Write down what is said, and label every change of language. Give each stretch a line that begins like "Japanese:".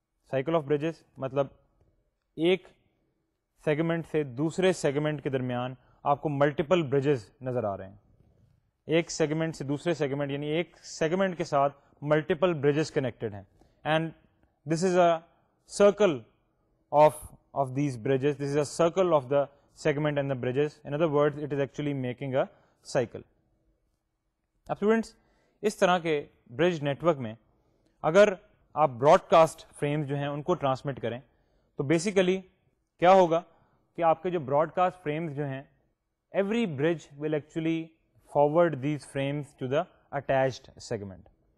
Urdu: Cycle of bridges مطلب ایک segment سے دوسرے سیگمنٹ کے درمیان آپ کو ملٹیپل بریجز نظر آ رہے ہیں. ایک سیگمنٹ سے دوسرے سیگمنٹ یعنی ایک سیگمنٹ کے ساتھ ملٹیپل بریجز کنیکٹڈ ہیں
English: And this is a circle of these bridges. This is a circle of the segment and the bridges. In other words it is actually making a cycle.
Urdu: اب students اس طرح کے bridge network میں اگر آپ Broad cost frames جو ہیں ان کو transmit کریں تو بیسیکلی کیا ہوگا کہ آپ کے جو براڈ کاسٹ فریمز جو ہیں
English: Every bridge will actually forward these frames to the attached segment.